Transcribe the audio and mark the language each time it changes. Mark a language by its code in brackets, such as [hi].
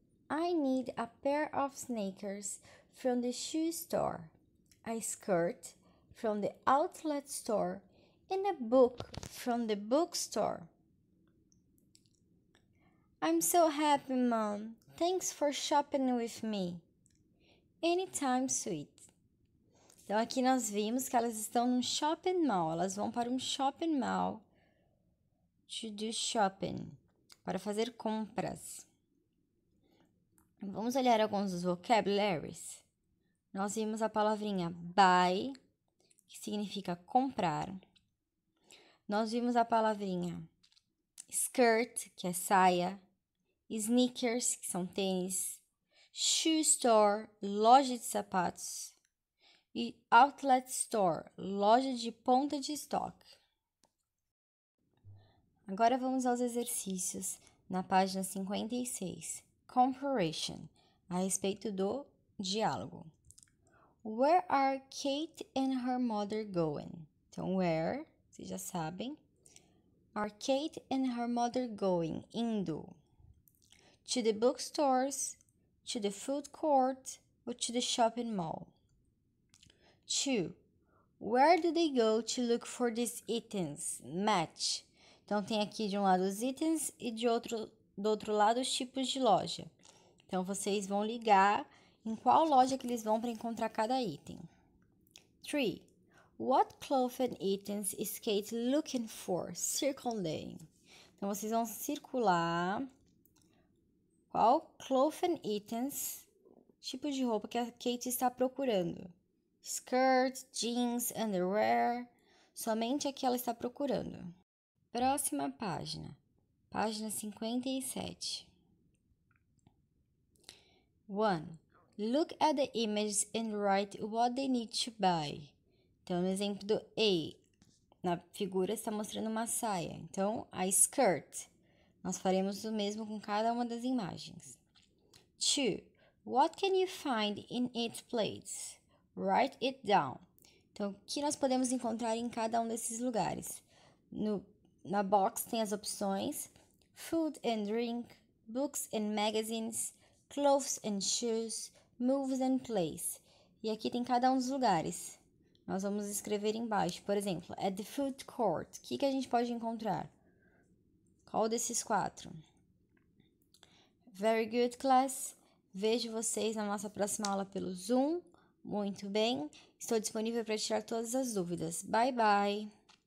[en] I need a pair of sneakers from the shoe store, a skirt from the outlet store, and a book from the bookstore. I'm so happy, Mom. Thanks for shopping with me. Anytime, sweet. [pt] Então, aqui nós vimos que elas estão num shopping mall. Elas vão para um shopping mall [en] to do shopping, [pt] para fazer compras. Vamos olhar alguns dos vocabularies. Nós vimos a palavrinha buy, que significa comprar. Nós vimos a palavrinha skirt, que é saia, sneakers, que são tênis, shoe store, loja de sapatos, e outlet store, loja de ponta de estoque. Agora vamos aos exercícios na página 56, comparison, a respeito do diálogo. [en] Where are Kate and her mother going? [pt] Então, where, vocês já sabem. [en] Are Kate and her mother going? [pt] Indo. [en] To the bookstores, to the food court, or to the shopping mall? 2. Where do they go to look for these items? Match. [pt] Então, tem aqui de um lado os itens e do outro lado os tipos de loja. Então, vocês vão ligar em qual loja que eles vão para encontrar cada item. 3. [en] What clothing items is Kate looking for? Circulating. [pt] Então, vocês vão circular qual clothing items, tipo de roupa que a Kate está procurando. Skirt, jeans, underwear, somente a que ela está procurando. Próxima página, página 57. 1. [en] Look at the images and write what they need to buy. [pt] Então, no exemplo do A, na figura está mostrando uma saia. Então, a skirt. Nós faremos o mesmo com cada uma das imagens. 2. [en] What can you find in its place? Write it down. [pt] Então, o que nós podemos encontrar em cada um desses lugares? Na box tem as opções. [en] Food and drink, books and magazines, clothes and shoes, moves and place. [pt] E aqui tem cada um dos lugares. Nós vamos escrever embaixo. Por exemplo, [en] at the food court. [pt] O que a gente pode encontrar? Qual desses quatro? [en] Very good, class. [pt] Vejo vocês na nossa próxima aula pelo Zoom. Muito bem. Estou disponível para tirar todas as dúvidas. Bye, bye.